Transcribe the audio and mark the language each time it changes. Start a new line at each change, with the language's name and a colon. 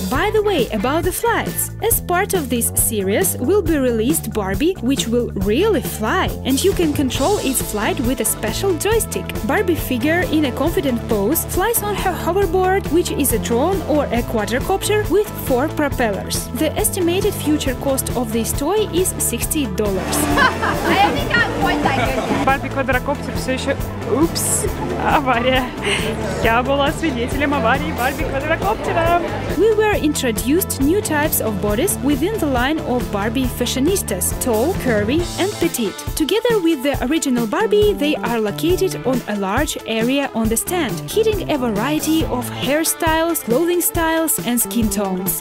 English: By the way, about the flights, as part of this series will be released Barbie, which will really fly, and you can control its flight with a special joystick. Barbie figure in a confident pose flies on her hoverboard, which is a drone or a quadricopter with 4 propellers. The estimated future cost of this toy is $60. I only got 1 second.
Russian: Барби квадрокоптер все еще. Упс, авария. Я была свидетелем аварии Барби квадрокоптера.
English: We were introduced new types of bodies within the line of Barbie fashionistas: tall, curvy, and petite. Together with the original Barbie, they are located on a large area on the stand, hitting a variety of hairstyles, clothing styles, and skin tones.